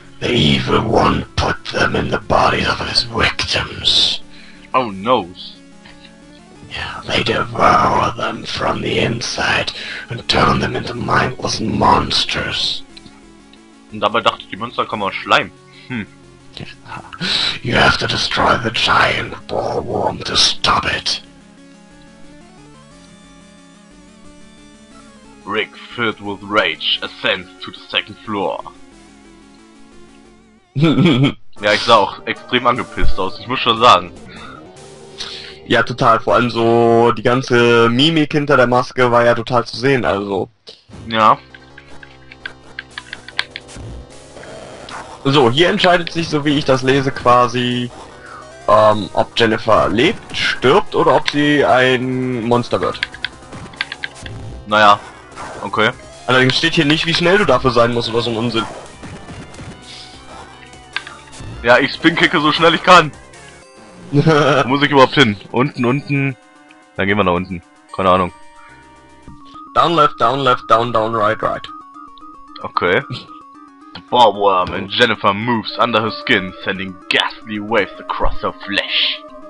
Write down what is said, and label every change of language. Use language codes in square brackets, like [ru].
[en] The evil one put them in the bodies of his victims. Oh, noes. Yeah, they devour them from the inside and turn them into mindless monsters. [de] Und dabei dachte ich, die Monster kommen aus Schleim. [en] You have to destroy the giant ballworm to stop it. Rick, filled with rage, ascends to the second floor. [de] Ja, ich sah auch extrem angepisst aus, ich muss schon sagen. Ja, total, vor allem so die ganze Mimik hinter der Maske war ja total zu sehen, also. Ja. So, hier entscheidet sich, so wie ich das lese, quasi, ob Jennifer lebt, stirbt oder ob sie ein Monster wird. Naja, okay. Allerdings steht hier nicht, wie schnell du dafür sein musst oder so ein Unsinn. Ja, ich spinkicke so schnell ich kann. Wo muss ich überhaupt hin? Unten, unten. Dann gehen wir nach unten. Keine Ahnung. [en] Down left, down left, down, down, right, right. Okay. The barbworm and Jennifer moves under her skin, sending ghastly waves across her flesh.